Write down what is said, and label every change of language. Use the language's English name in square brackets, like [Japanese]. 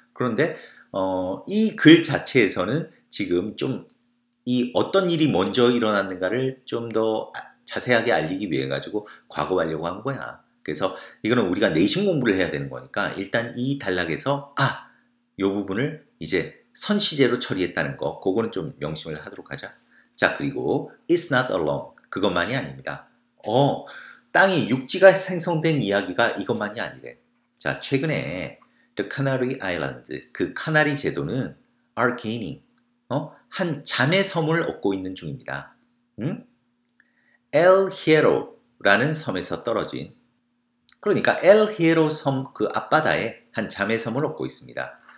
[Korean] 그런데, 이글 자체에서는 지금 좀, 이 어떤 일이 먼저 일어났는가를 좀더 자세하게 알리기 위해 가지고 과거하려고 한 거야. 그래서 이거는 우리가 내신 공부를 해야 되는 거니까 일단 이 단락에서 아, 요 부분을 이제 선시제로 처리했다는 거, 그거는 좀 명심을 하도록 하자. [English] 자, 그리고 it's not alone. [Korean] 그것만이 아닙니다. 땅이 육지가 생성된 이야기가 이것만이 아니래. 자, 최근에 The Canary Island, 그 카나리 제도는 [English] are gaining. [Korean] 한 자매 섬을 얻고 있는 중입니다. 응? El Hierro라는 섬에서 떨어진 그러니까 엘 히에로 섬그 앞바다에 한 자매 섬을 얻고 있습니다.